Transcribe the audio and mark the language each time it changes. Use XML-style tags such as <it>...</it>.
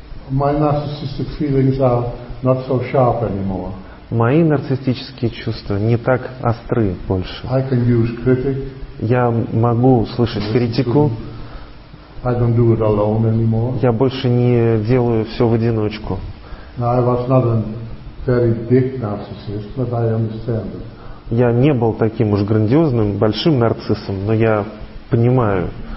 <en>My narcissistic feelings are not so sharp anymore.</en> <ru>Мои нарциссические чувства не так остры больше.</ru> <en>I can use critic.</en> <ru>Я могу слышать критику.</ru> <en>I don't do it alone anymore.</en> <ru>Я больше не делаю все в одиночку.</ru> <en>Now, I was not a very big narcissist, but I understand it.</en> <ru>Я не был таким уж грандиозным, большим нарциссом, но я понимаю.</ru>